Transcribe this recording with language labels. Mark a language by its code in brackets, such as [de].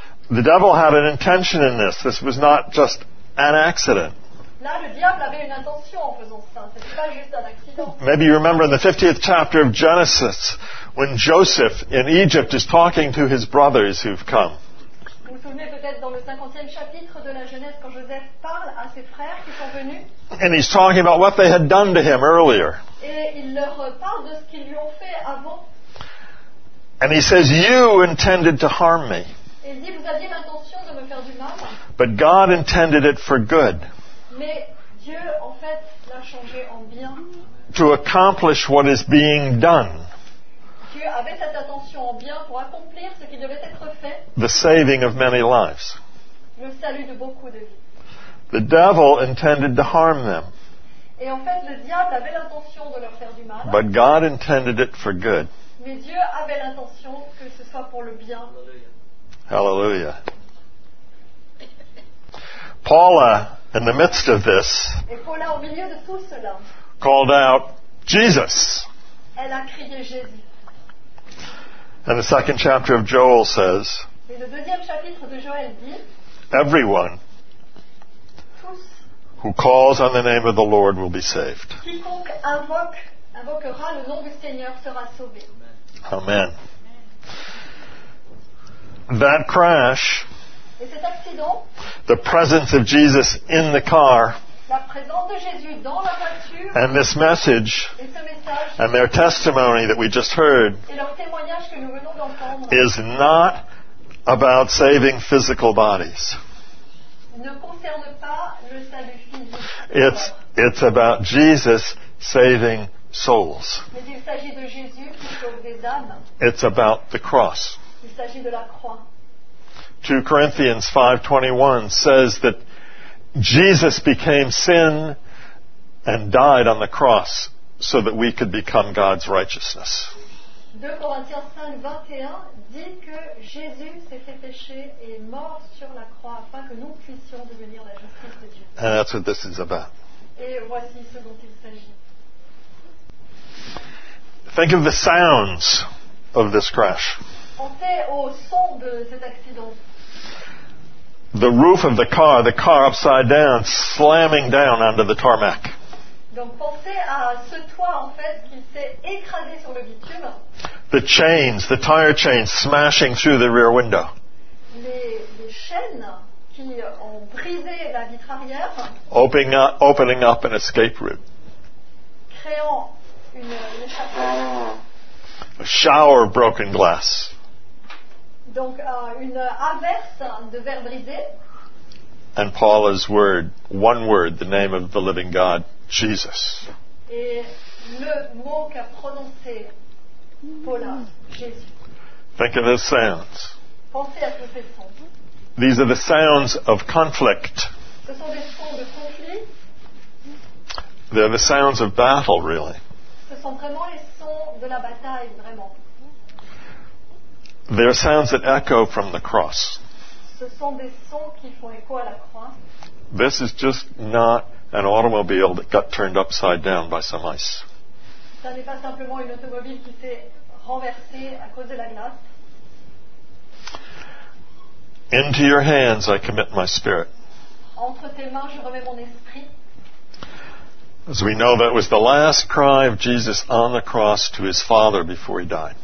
[en] The devil had an intention in this. This was not just an accident. [fr] Là, le diable avait une intention en faisant ça. C'était pas juste un accident. [en] Maybe you remember in the 50th chapter of Genesis when Joseph in Egypt is talking to his brothers who've come. [fr] Vous vous souvenez peut-être dans le 50e chapitre de la Genèse quand Joseph parle à ses frères qui sont venus. [en] And he's talking about what they had done to him earlier. [fr] Et il leur parle de ce qu'ils lui ont fait avant. [en] And he says, "You intended to harm me. [fr] Il dit, vous aviez l'intention de me faire du mal. [en] But God intended it for good. [fr] Mais Dieu, en fait, l'a changé en bien. [en] To accomplish what is being done. [fr] Dieu avait cette intention en bien pour accomplir ce qui devait être fait. [en] The saving of many lives. [fr] Le salut de beaucoup de vies. [en] The devil intended to harm them. [fr] Et en fait, le diable avait l'intention de leur faire du mal. [en] But God intended it for good. [fr] Mais Dieu avait l'intention que ce soit pour le bien. [en] Hallelujah. Paula, in the midst of this, [fr] et Paula, au milieu de tout cela, [en] called out, "Jesus." [fr] Elle a crié Jésus. [en] And the second chapter of Joel says, [fr] et le deuxième chapitre de Joël dit, [en] "Everyone [fr] tous [en] who calls on the name of the Lord will be saved." [fr] Quiconque invoquera le nom du Seigneur sera sauvé. [en] Amen. That crash, [fr] et cet accident, [en] the presence of Jesus in the car, [fr] la présence de Jésus dans la voiture, [en] and this message, [fr] et ce message, [en] and their testimony that we just heard, [fr] et leur témoignage que nous venons d'entendre, [en] is not about saving physical bodies. [fr] Ne concerne pas le salut physique. [en] It's about Jesus saving souls. [fr] Mais il s'agit de Jésus qui sauve des âmes. [en] It's about the cross. [fr] Il s'agit de la croix. [en] 2 Corinthians 5:21 says that Jesus became sin and died on the cross so that we could become God's righteousness. [fr] 2 Corinthians 5:21 dit que Jésus s'est fait péché et est mort sur la croix afin que nous puissions devenir la justice de Dieu. [en] And that's what this is about. [fr] Et voici ce dont il s'agit. [en] Think of the sounds of this crash. [fr] Pensez au son de cet accident. [en] The roof of the car upside down, slamming down onto the tarmac. [fr] Donc pensez à ce toit en fait qui s'est écrasé sur le bitume. [en] The chains, the tire chains smashing through the rear window. [fr] Les chaînes qui ont brisé la vitre arrière. [en] Opening up an escape route. [fr] Créant une échappée. [en] A shower of broken glass. [fr] Donc une averse de verre brisé. [en] And Paul's word, one word, the name of the living God, Jesus. [fr] Et le mot qu'a prononcé Paula, Jésus. [en] Think of those sounds. [fr] Pensez à tous ces sons. [en] These are the sounds of conflict. [fr] Ce sont des sons de conflit. [en] They're the sounds of battle, really. [fr] Ce sont vraiment les sons de la bataille, vraiment. [en] They're sounds that echo from the cross. [fr] Ce sont des sons qui font écho à la croix. [en] This is just not an automobile that got turned upside down by some ice. [fr] Ça n'est pas simplement une automobile qui s'est renversée à cause de la glace. [en] Into your hands I commit my spirit. [fr] Entre tes mains je remets mon esprit. [en] As we know, that was the last cry of Jesus on the cross to his Father before he died.